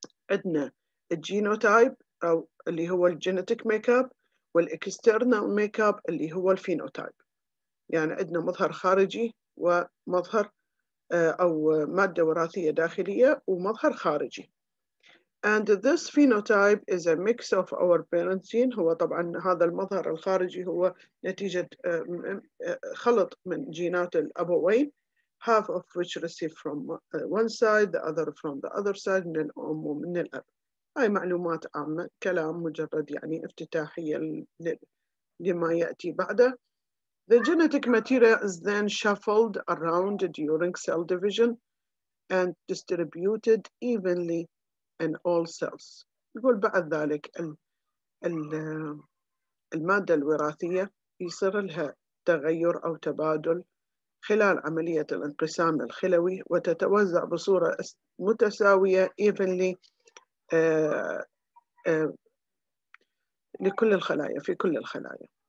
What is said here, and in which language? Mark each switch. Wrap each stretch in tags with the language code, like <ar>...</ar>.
<ar>عندنا الجينوتايب أو اللي هو الجينيتيك ميكاب والإكسترنال ميكاب اللي هو الفينوتايب يعني عندنا مظهر خارجي ومظهر أو مادة وراثية داخلية ومظهر خارجي.</ar> <en>And this phenotype is a mix of our parents' gene.</en> <ar>هو طبعاً هذا المظهر الخارجي هو نتيجة خلط من جينات الأبوين.</ar> <en>Half of which received from one side, the other from the other side,</en> <ar>من الأم ومن الأب. هاي معلومات عامة، كلام مجرد يعني افتتاحية لما يأتي بعده.</ar> <en>The genetic material is then shuffled around during cell division and distributed evenly in all cells.</en> <ar>يقول بعد ذلك المادة الوراثية يصير لها تغير أو تبادل خلال عملية الانقسام الخلوي وتتوزع بصورة متساوية evenly لكل الخلايا في كل الخلايا.</ar>